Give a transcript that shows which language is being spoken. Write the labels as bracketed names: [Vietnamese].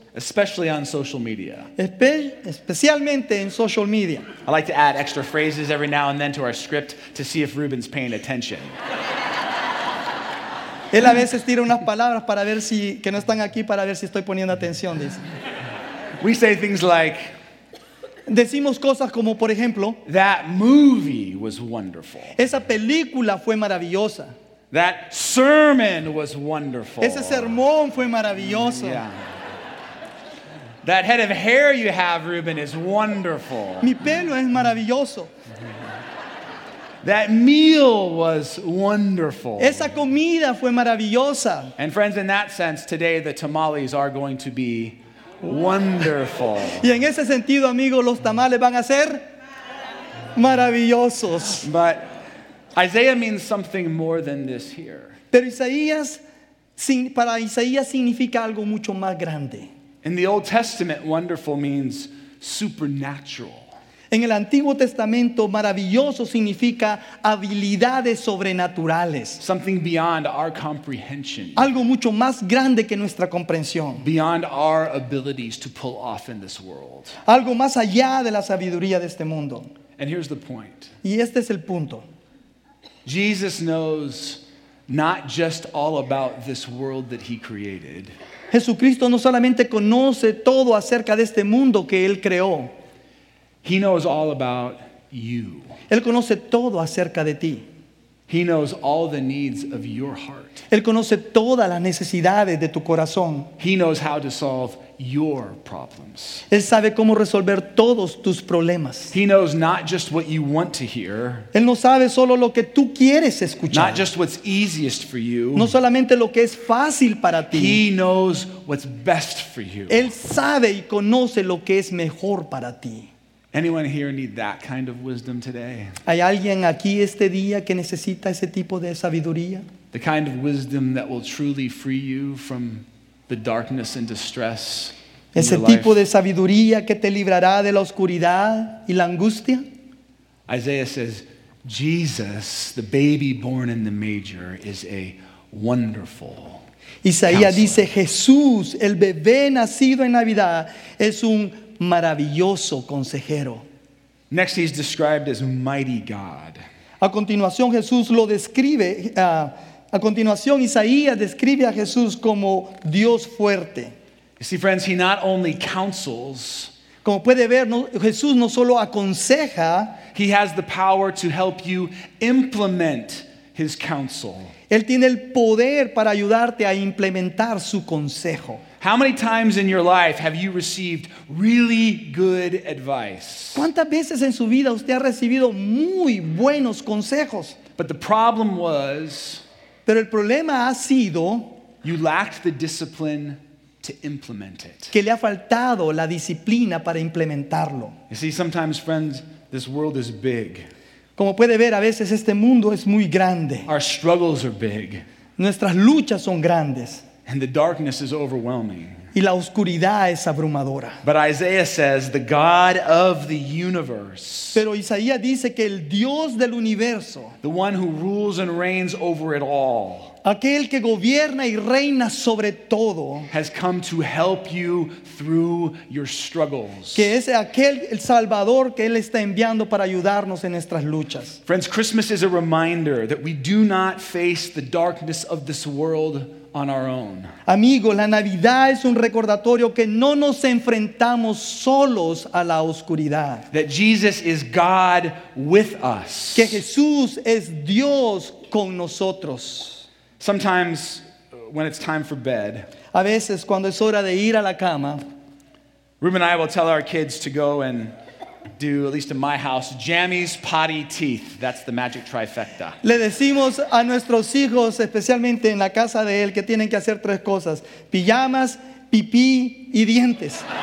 [English] Especially on social media. [Spanish] Especialmente en social media. [English] I like to add extra phrases every now and then to our script to see if Ruben's paying attention. [Spanish] Él a veces tira unas palabras para ver si que no están aquí para ver si estoy poniendo atención, dice. [English] We say things like. [Spanish] Decimos cosas como, por ejemplo. [English] That movie was wonderful. [Spanish] Esa película fue maravillosa. [English] That sermon was wonderful. [Spanish] Ese sermón fue maravilloso. [English] Yeah. That head of hair you have, Ruben, is wonderful. [Spanish] Mi pelo es maravilloso. [English] That meal was wonderful. [Spanish] Esa comida fue maravillosa. [English] And friends, in that sense, today the tamales are going to be wonderful. [Spanish] Y en ese sentido, amigos, los tamales van a ser maravillosos. [English] But Isaiah means something more than this here. [Spanish] Pero Isaías, para Isaías significa algo mucho más grande. [English] In the Old Testament, wonderful means supernatural. [Spanish] En el Antiguo Testamento, maravilloso significa habilidades sobrenaturales. [English] Something beyond our comprehension. [Spanish] Algo mucho más grande que nuestra comprensión. [English] Beyond our abilities to pull off in this world. [Spanish] Algo más allá de la sabiduría de este mundo. [English] And here's the point. [Spanish] Y este es el punto. [English] Jesus knows not just all about this world that he created. [Spanish] Jesucristo no solamente conoce todo acerca de este mundo que él creó. [English] He knows all about you. [Spanish] Él conoce todo acerca de ti. [English] He knows all the needs of your heart. [Spanish] Él conoce todas las necesidades de tu corazón. [English] He knows how to solve your problems. [Spanish] Él sabe cómo resolver todos tus problemas. [English] He knows not just what you want to hear. [Spanish] Él no sabe solo lo que tú quieres escuchar. [English] Not just what's easiest for you. [Spanish] No solamente lo que es fácil para ti. [English] He knows what's best for you. [Spanish] Él sabe y conoce lo que es mejor para ti. [English] Anyone here need that kind of wisdom today? [Spanish] ¿Hay alguien aquí este día que necesita ese tipo de sabiduría? [English] The kind of wisdom that will truly free you from the darkness and distress in your life. [Spanish] Ese tipo de sabiduría que te librará de la oscuridad y la angustia. [English] Isaiah says, Jesus, the baby born in the manger, is a wonderful counselor. [Spanish] Isaías dice, Jesús, el bebé nacido en Navidad, es un maravilloso consejero. [English] Next, he's described as mighty God. [Spanish] A continuación, Jesús lo describe. A continuación, Isaías describe a Jesús como Dios fuerte. [English] You see, friends, he not only counsels. [Spanish] Como puede ver, no, Jesús no solo aconseja. [English] He has the power to help you implement his counsel. [Spanish] Él tiene el poder para ayudarte a implementar su consejo. [English] How many times in your life have you received really good advice? [Spanish] ¿Cuántas veces en su vida usted ha recibido muy buenos consejos? [English] But the problem was, [Spanish] pero el problema ha sido, [English] you lacked the discipline to implement it. [Spanish] Que le ha faltado la disciplina para implementarlo. [English] You see, sometimes, friends, this world is big. [Spanish] Como puede ver, a veces este mundo es muy grande. [English] Our struggles are big. [Spanish] Nuestras luchas son grandes. [English] And the darkness is overwhelming. [Spanish] Y la oscuridad es abrumadora. [English] But Isaiah says, the God of the universe. [Spanish] Pero Isaías dice que el Dios del universo. [English] The one who rules and reigns over it all. [Spanish] Aquel que gobierna y reina sobre todo [English] has come to help you through your struggles. [Spanish] Que es aquel el Salvador que él está enviando para ayudarnos en nuestras luchas. [English] Friends, Christmas is a reminder that we do not face the darkness of this world on our own. [Spanish] Amigo, la Navidad es un recordatorio que no nos enfrentamos solos a la oscuridad. [English] That Jesus is God with us. [Spanish] Que Jesús es Dios con nosotros. [English] Sometimes when it's time for bed, [Spanish] a veces cuando es hora de ir a la cama, [English] Ruben and I will tell our kids to go and do, at least in my house, jammies, potty, teeth. That's the magic trifecta. [Spanish] Le decimos a nuestros hijos, especialmente en la casa de él, que tienen que hacer tres cosas: pijamas, pipí y dientes.